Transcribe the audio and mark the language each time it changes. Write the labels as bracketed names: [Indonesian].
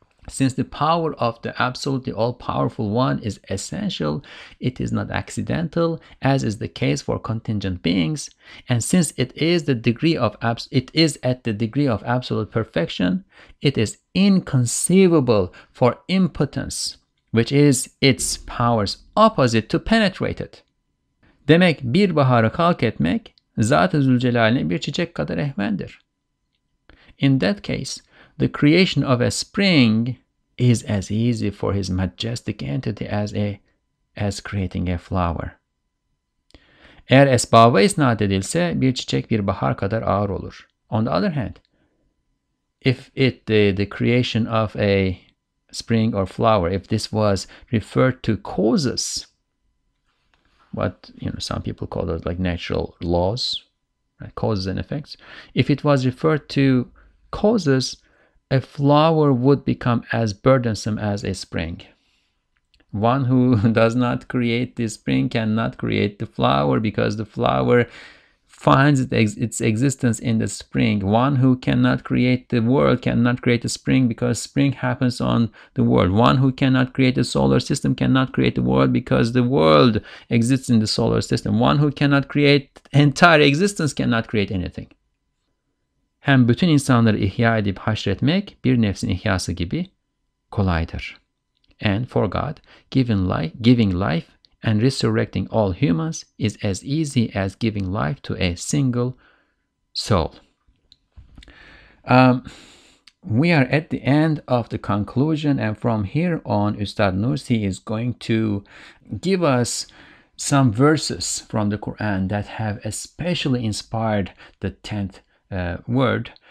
[English] Since the power of the absolutely all-powerful one is essential, it is not accidental, as is the case for contingent beings. And since it is at the degree of absolute perfection, it is inconceivable for impotence, which is its power's opposite, to penetrate it. [Turkish] Demek bir baharı kalk etmek, Zat-ı Zülcelal'in bir çiçek kadar ehvendir. [English] In that case, the creation of a spring is as easy for his majestic entity as creating a flower. [Turkish] Eğer esbaba isnat edilse, bir çiçek bir bahar kadar ağır olur. [English] On the other hand, if the creation of a spring or flower, if this was referred to causes, what you know some people call those like natural laws, right, causes and effects, if it was referred to causes, A flower would become as burdensome as a spring. One who does not create the spring cannot create the flower, because the flower finds its existence in the spring. One who cannot create the world cannot create the spring, because spring happens on the world. One who cannot create the solar system cannot create the world, because the world exists in the solar system. One who cannot create entire existence cannot create anything. [Turkish] Hem bütün insanları ihya edip haşretmek bir nefsin ihyası gibi kolaydır. [English] And for God, giving life and resurrecting all humans is as easy as giving life to a single soul. We are at the end of the conclusion, and from here on, Ustad Nursi is going to give us some verses from the Quran that have especially inspired the 10th word.